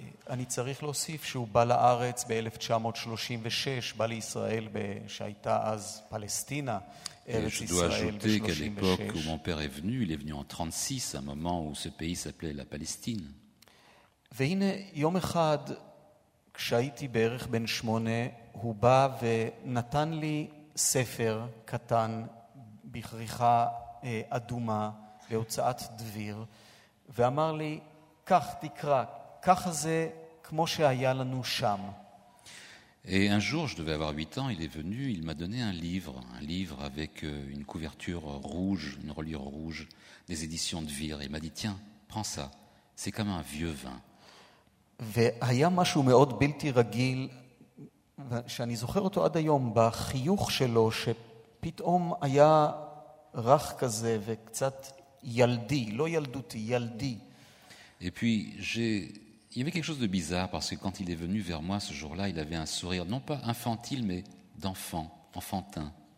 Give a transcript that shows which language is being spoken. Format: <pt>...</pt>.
<he>אני צריך להוסיף שהוא בא לארץ ב-1936, בא לישראל שהייתה אז פלסטינה, ארץ ישראל ב-36.</he> <fr>Qu'à l'époque où mon père est venu, il est venu en 36, un moment où ce pays s'appelait la Palestine.</fr> <he>והנה יום אחד כשהייתי בערך בן 8, הוא בא ונתן לי ספר קטן בכריכה אדומה בהוצאת דביר ואמר לי כך תקרא, ככה זה כמו שהיה לנו שם.</he> <fr>Et un jour, je devais avoir 8 ans, il est venu, il m'a donné un livre avec une couverture rouge, une reliure rouge, des éditions de Vire. Il m'a dit, tiens, prends ça, c'est comme un vieux vin.</fr> <he>והיה משהו מאוד בלתי רגיל, שאני זוכר אותו עד היום, בחיוך שלו, שפתאום היה רך כזה וקצת ילדי, לא ילדותי, ילדי.</he> <fr>Et puis, il y avait quelque chose de bizarre, parce que quand il est venu vers moi ce jour-là, il avait un sourire, non pas infantile, mais d'enfant, enfantin.</fr>